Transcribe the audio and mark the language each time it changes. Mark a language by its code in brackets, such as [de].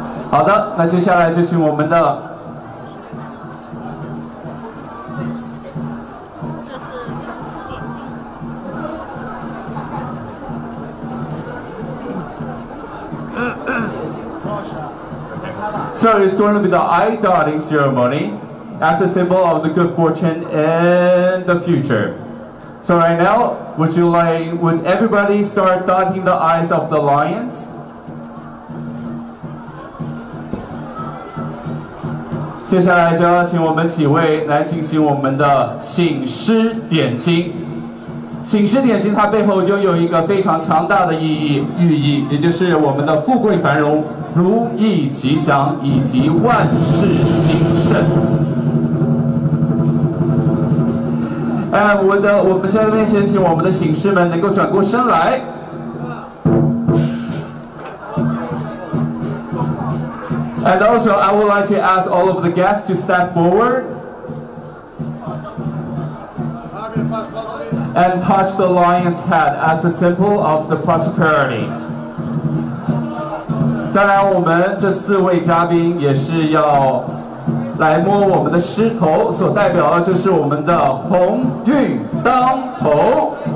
[zh] 好的，那接下来就请我们的，这是 [en] So it's going to be the eye dotting ceremony as a symbol of the good fortune and the future. So right now, would everybody start dotting the eyes of the lions? [zh] 接下来就要请我们几位来进行我们的醒狮点睛。醒狮点睛它背后拥有一个非常强大的寓意，也就是我们的富贵繁荣、如意吉祥以及万事兴盛。我们现在先请我们的醒狮们能够转过身来。 [en] And also, I would like to ask all of the guests to step forward and touch the lion's head as a symbol of the prosperity. [zh] 当然，我们这四位嘉宾也是要来摸我们的狮头，所代表的就是我们的鸿运当头。